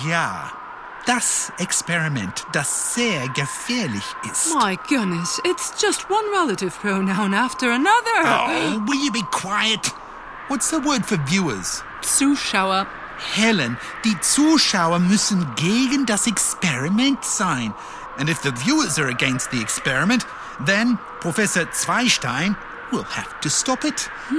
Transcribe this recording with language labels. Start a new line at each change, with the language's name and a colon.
German: Ja, das Experiment, das sehr gefährlich ist.
English: My goodness, it's just one relative pronoun after another. Oh, will you be quiet? What's the word for viewers?
German: Zuschauer. Helen, die Zuschauer müssen gegen das Experiment sein.
English: And if the viewers are against the experiment, then Professor Zweistein will have to stop it.